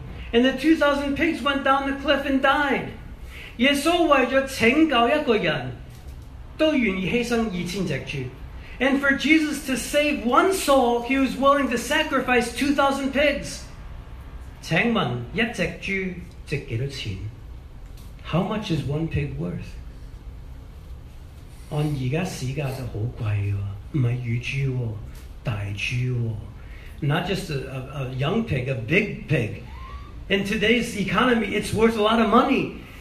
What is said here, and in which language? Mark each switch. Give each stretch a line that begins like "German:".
English: And the 2,000 pigs went down the cliff and died.
Chinese: 耶稣为了拯救一个人，都愿意牺牲2000只猪。
English: And for Jesus to save one soul, he was willing to sacrifice 2,000 pigs.
Chinese: 请问一只猪值几多钱？
English: How much is one pig worth?
Chinese: 按现在市价就好贵，不是乳猪，大猪。
English: Not just a young pig, a big pig. In today's economy, it's worth a lot of money.